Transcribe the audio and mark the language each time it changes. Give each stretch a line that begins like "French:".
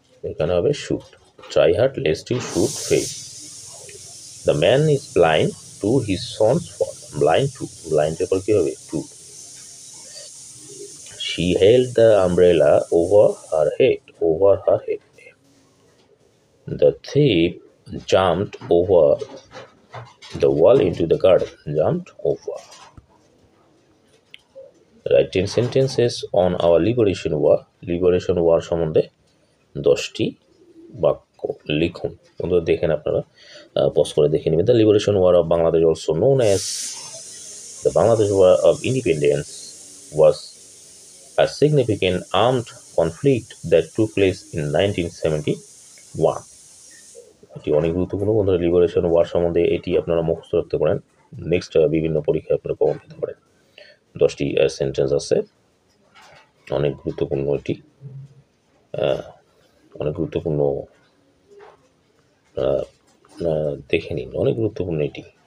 Bangla: এখানে হবে
English: should, try hard lest you should fail, the man is blind to his son's fault, blind to,
Bangla: ব্লাইন্ডের পর কি হবে
English: To, she held the umbrella over her head, over over her head. The thief jumped over the wall into the garden. Jumped over. Write 10 sentences on our liberation war.
Bangla: Liberation war সম্বন্ধে 10টি বাক্য লিখুন। বন্ধু দেখেন আপনারা pause করে দেখে নেবেন।
English: The liberation war of Bangladesh, also known as the Bangladesh War of Independence, was a significant armed conflict that took place in 1971.
Bangla: এটি অনেক গুরুত্বপূর্ণ। বন্ধু liberation war সম্বন্ধে এটি আপনারা মুখস্থ রাখতে পারেন। নেক্সট বিভিন্ন পরীক্ষায় আপনারা কমন পেতে পারেন। 10টি সেন্টেন্স আছে, অনেক গুরুত্বপূর্ণ, এটি অনেক গুরুত্বপূর্ণ, দেখে নিন, অনেক গুরুত্বপূর্ণ এটি।